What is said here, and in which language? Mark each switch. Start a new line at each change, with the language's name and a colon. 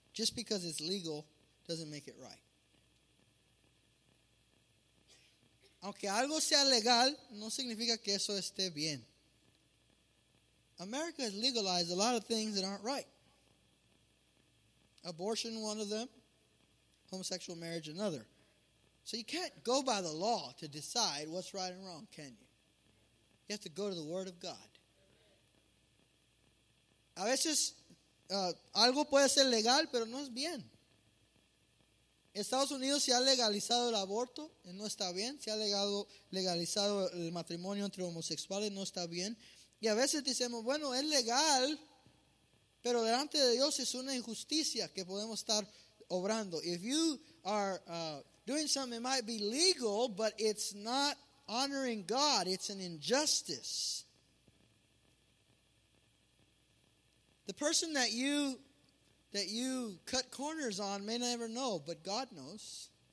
English: Just because it's legal doesn't make it right.
Spanish: Aunque algo sea legal, no significa que eso esté bien.
English: America has legalized a lot of things that aren't right. Abortion, one of them. Homosexual marriage, another. So you can't go by the law to decide what's right and wrong, can you? You have to go to the Word of God.
Spanish: A veces, algo puede ser legal, pero no es bien. Estados Unidos se ha legalizado el aborto, no está bien. Se ha legalizado el matrimonio entre homosexuales, no está bien. Y a veces decimos, bueno, es legal, pero delante de Dios es una injusticia que podemos estar obrando.
English: If you are doing something, it might be legal, but it's not honoring God. It's an injustice. The person that you cut corners on may never know, but God knows.